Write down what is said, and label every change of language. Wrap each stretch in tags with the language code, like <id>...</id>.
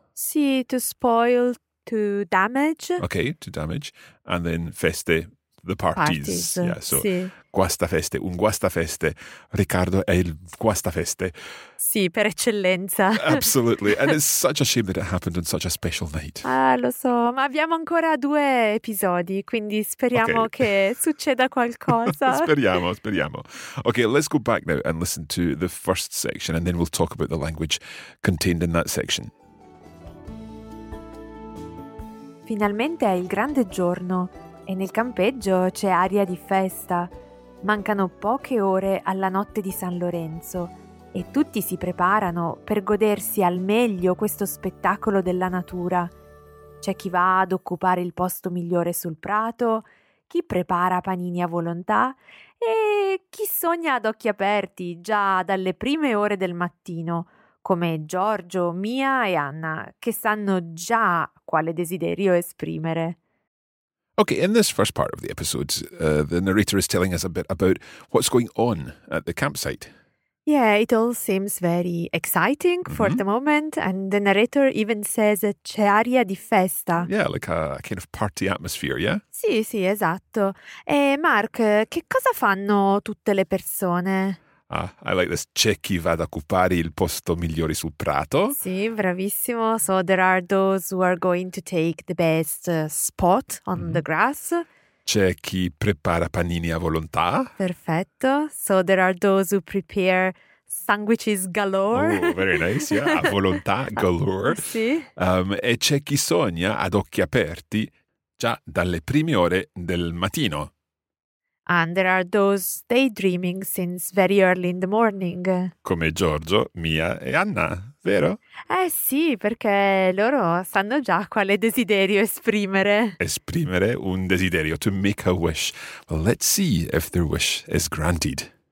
<en>Sì, to spoil, to damage. Okay, to damage. And then feste, the parties. Parties. Yeah, so</en> <it>sì. Guastafeste, un guastafeste. Riccardo è il guastafeste. Sì, per eccellenza.</it> <en>Absolutely. And it's such a shame that it happened on such a special night.</en> <it>Ah, lo so, ma abbiamo ancora due episodi, quindi speriamo okay. che succeda qualcosa. Speriamo, speriamo.</it> <en>Okay, let's go back now and listen to the first section and then we'll talk about the language contained in that section.</en> <it>Finalmente è il grande giorno e nel campeggio c'è aria di festa. Mancano poche ore alla notte di San Lorenzo e tutti si preparano per godersi al meglio questo spettacolo della natura. C'è chi va ad occupare il posto migliore sul prato, chi prepara panini a volontà e chi sogna ad occhi aperti già dalle prime ore del mattino, come Giorgio, Mia e Anna, che sanno già quale desiderio esprimere.</it> <en>Okay, in this first part of the episode, the narrator is telling us a bit about what's going on at the campsite. Yeah, it all seems very exciting for the moment, and the narrator even says</en> <it>c'è aria di festa.</it> <en>Yeah, like a kind of party atmosphere, yeah?</en> <it>Sì, sì, esatto. E Mark, che cosa fanno tutte le persone?</it> <en>Ah, I like this.</en> <it>C'è chi va ad occupare il posto migliore sul prato. Sì, bravissimo.</it> <en>So there are those who are going to take the best spot on the grass.</en> <it>C'è chi prepara panini a volontà. Perfetto.</it> <en>So there are those who prepare sandwiches galore. Oh, very nice. Yeah,</en> <it>a volontà,</it> <en>galore.</en> <it>Sì. E c'è chi sogna ad occhi aperti già dalle prime ore del mattino.</it> <en>And there are those daydreaming since very early in the morning.</en> <it>Come Giorgio, Mia e Anna, vero? Eh sì, perché loro sanno già quale desiderio esprimere. Esprimere un desiderio,</it> <en>to make a wish. Well, let's see if their wish is granted.</en>